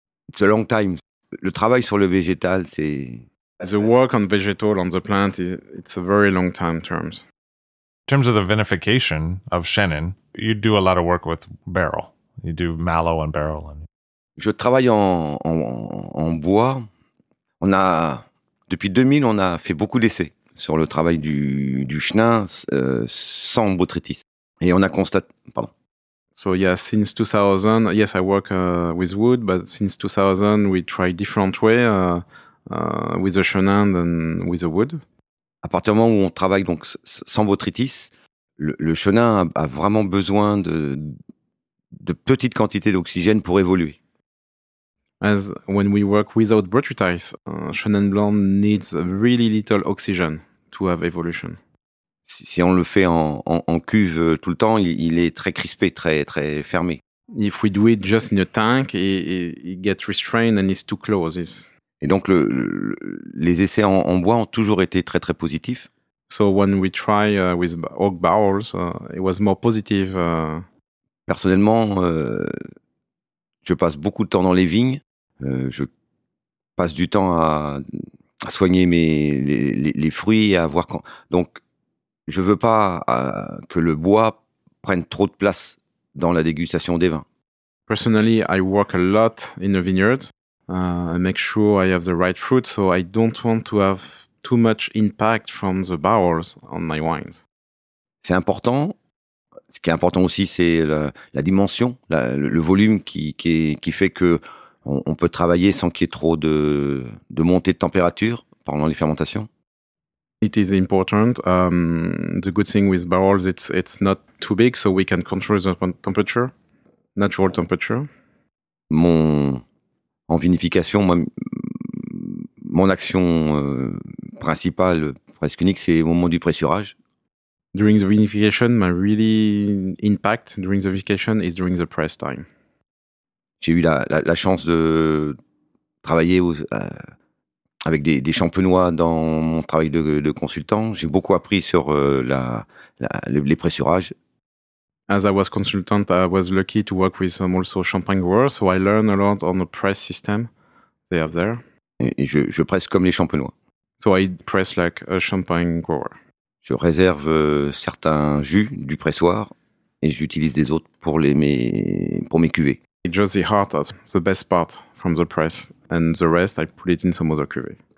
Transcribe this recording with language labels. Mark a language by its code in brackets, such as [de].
[en] It's a long time. [fr] Le travail sur le végétal, c'est... [en] The work on vegetal, on the plant, it's a very long time terms. In terms of the vinification of Chenin, you do a lot of work with barrel. You do mallow and barrel. [fr] Je travaille en bois. On a... Depuis 2000, on a fait beaucoup d'essais sur le travail du chenin sans botrytis. Et on a constaté... Pardon. [en] So, yeah, since 2000... Yes, I work with wood, but since 2000, we try different ways with the chenin than with the wood. [fr] À partir du moment où on travaille donc sans botrytis, le chenin a vraiment besoin de petites quantités d'oxygène pour évoluer. [en] As when we work without botrytis, Chenin blanc needs really little oxygen to have evolution. [fr] Si on le fait en cuve tout le temps, il est très crispé, très très fermé. [en] If we do it just in a tank, it gets restrained and it's too close. [fr] Et donc les essais en bois ont toujours été très très positifs. [en] So when we try with oak barrels, it was more positive. [fr] Personnellement. Je passe beaucoup de temps dans les vignes. Je passe du temps à soigner les fruits, à voir quand. Donc, je veux pas que le bois prenne trop de place dans la dégustation des vins. [en] Personally, I work a lot in the vineyards. I make sure I have the right fruit, so I don't want to have too much impact from the barrels on my wines. [fr] C'est important. Ce qui est important aussi, c'est la dimension, le volume qui fait qu'on peut travailler sans qu'il y ait trop de montée de température pendant les fermentations. [en] It is important. The good thing with barrels, it's not too big, so we can control the temperature, natural temperature. [fr] En vinification, moi, mon action principale, presque unique, c'est au moment du pressurage. [en] During the vinification, my really impact during the vinification is during the press time. [fr] J'ai eu la chance de travailler avec des champenois dans mon travail de consultant. J'ai beaucoup appris sur les pressurages. [en] As I was consultant, I was lucky to work with some also champagne growers, so I learned a lot on the press system they have there. [fr] Et je presse comme les champenois. [en] So I press like a champagne grower. [fr] Je réserve certains jus du pressoir et j'utilise des autres pour mes cuvées. [en] It's just the heart, the best part from the press, and the rest I put it in some other cuvée.